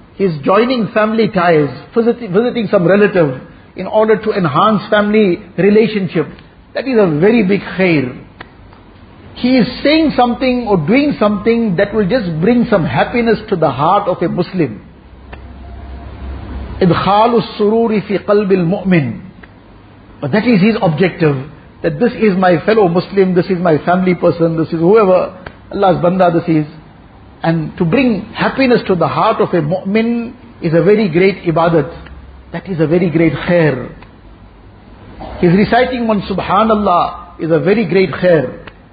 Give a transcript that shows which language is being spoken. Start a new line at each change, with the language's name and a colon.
English: He is joining family ties, visiting some relative in order to enhance family relationship. That is a very big khair. He is saying something or doing something that will just bring some happiness to the heart of a Muslim.
Arabic: إدخال السرور في قلب المؤمن.
English: But that is his objective, that this is my fellow Muslim, this is my family person, this is whoever Allah's banda this is. And to bring happiness to the heart of a mu'min is a very great ibadat. That is a very great khair. He's reciting one subhanallah is a very great khair.